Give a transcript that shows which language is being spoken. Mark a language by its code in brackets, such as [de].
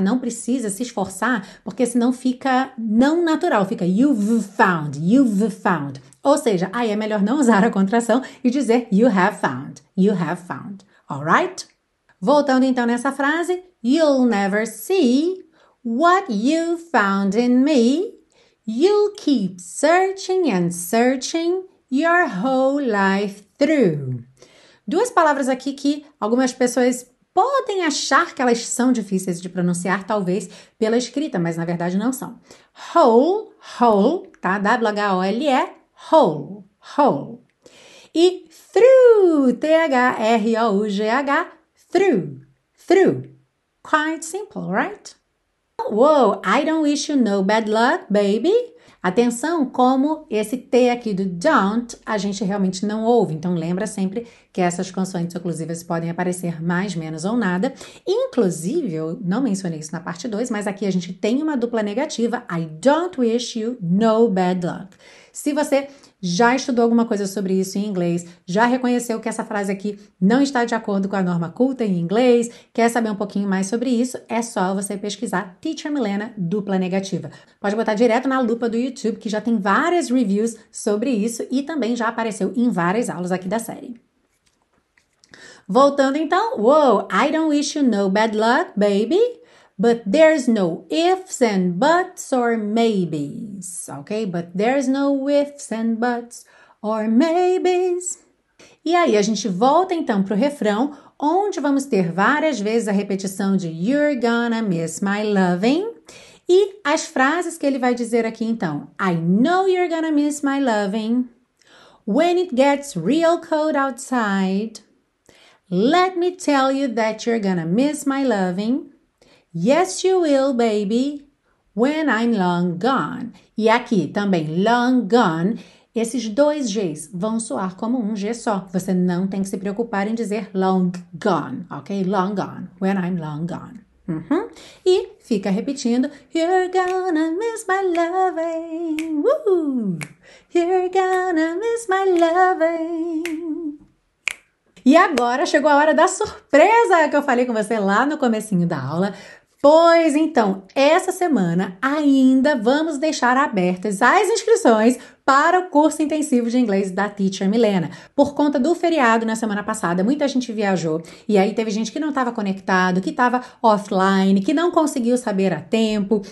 [pt] Não precisa se esforçar, porque senão fica não natural, fica [en] you've found. [pt] Ou seja, aí é melhor não usar a contração e dizer [en] you have found, alright? [pt] Voltando então nessa frase, [en] you'll never see what you found in me, you'll keep searching and searching your whole life through. [pt] Duas palavras aqui que algumas pessoas podem achar que elas são difíceis de pronunciar, talvez pela escrita, mas na verdade não são. [en] Whole, whole, tá? W-H-O-L-E. Whole, whole. E through, T-H-R-O-U-G-H, through, through. Quite simple, right? Wow, I don't wish you no bad luck, baby. [pt] Atenção como esse T aqui do don't a gente realmente não ouve. Então lembra sempre que essas consoantes oclusivas podem aparecer mais, menos ou nada. Inclusive, eu não mencionei isso na parte 2, mas aqui a gente tem uma dupla negativa. [en] I don't wish you no bad luck. [pt] Se você já estudou alguma coisa sobre isso em inglês, já reconheceu que essa frase aqui não está de acordo com a norma culta em inglês, quer saber um pouquinho mais sobre isso, é só você pesquisar Teacher Milena dupla negativa. Pode botar direto na lupa do YouTube, que já tem várias reviews sobre isso e também já apareceu em várias aulas aqui da série. Voltando então, [en] wow, I don't wish you no bad luck, baby. But there's no ifs and buts or maybes, ok? But there's no ifs and buts or maybes. [pt] E aí, a gente volta então pro refrão, onde vamos ter várias vezes a repetição de [en] you're gonna miss my loving. [pt] E as frases que ele vai dizer aqui então. [en] I know you're gonna miss my loving. When it gets real cold outside. Let me tell you that you're gonna miss my loving. Yes, you will, baby, when I'm long gone. [pt] E aqui também, [en] long gone, [pt] esses dois Gs vão soar como um G só. Você não tem que se preocupar em dizer [en] long gone, [pt] ok? [en] Long gone, when I'm long gone. Uhum. E fica repetindo, you're gonna miss my loving. Woo-hoo. You're gonna miss my loving. [pt] E agora chegou a hora da surpresa que eu falei com você lá no comecinho da aula. Pois então, essa semana ainda vamos deixar abertas as inscrições para o curso intensivo de inglês da Teacher Milena. Por conta do feriado na semana passada, muita gente viajou e aí teve gente que não estava conectado, que estava offline, que não conseguiu saber a tempo.